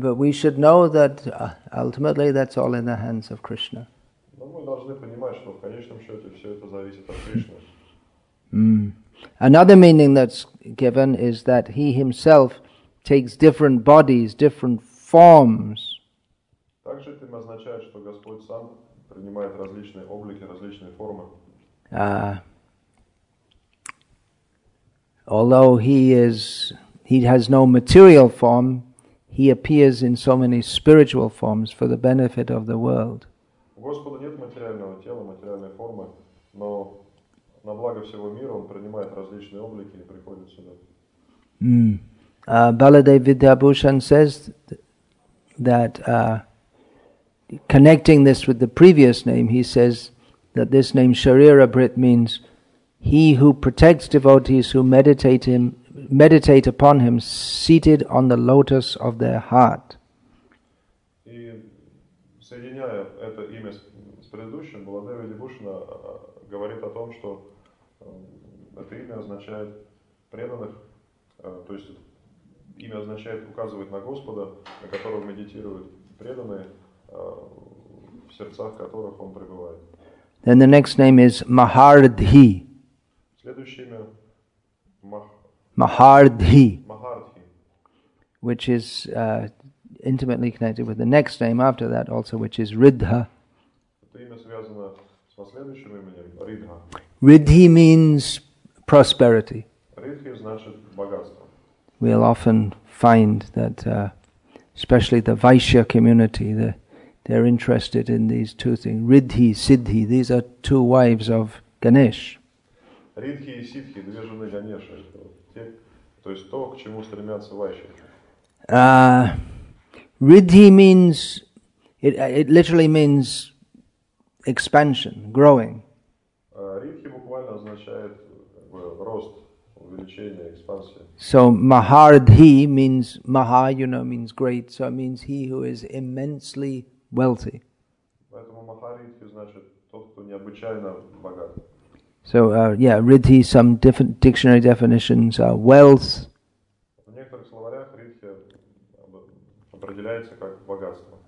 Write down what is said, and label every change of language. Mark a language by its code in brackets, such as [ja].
[en] But we should know that ultimately that's all in the hands of Krishna. [ru] Но мы должны понимать, что в конечном счете все это зависит от Кришны. [en] Another meaning that's given is that he himself takes different bodies, different forms. [ru] Также это означает, что Господь сам принимает различные облики, различные формы. [en] Although he has no material form, he appears in so many spiritual forms for the benefit of the world. [ru] У Господа нет материального тела, материальной формы, но на благо всего мира он принимает различные облики и приходит сюда. [en] Баладев Видьябхушан says that connecting this with the previous name, he says that this name Sharira Brit means he who protects devotees who meditate upon him seated on the lotus of their heart. [ru] И соединяя это имя с предыдущим, Баладев Видьябхушан говорит о том, что это имя означает преданных, то есть имя означает, указывает на Господа, на которого медитируют преданные, в сердцах которых он пребывает. [en] Then the next name is Mahardhi. [ru] Следующее имя Mahardhi. Mahardhi. [en] Which is intimately connected with the next name after that also, which is Riddha. [ru] Это имя связано со следующим именем Riddha. [en] Riddhi means prosperity. [ru] Riddhi значит богатство. [en] We'll often find that, especially the Vaishya community, they're interested in these two things. Riddhi, Siddhi, these are two wives of Ganesh. [ru] Ридхи и ситхи, две жены Ганеши, то есть то, к чему стремятся ващи. [en] Ридхи means, it literally means expansion, growing. [ru] Ридхи буквально означает рост, увеличение, экспансия. [en] So Mahardhi means Maha, you know, means great. So it means he who is immensely wealthy. [ru] Поэтому Махаридхи значит тот, кто необычайно богат. [en] So yeah, Ridhi, some different dictionary definitions are wealth. [ru] В некоторых словарях Ридхи определяется как богатство.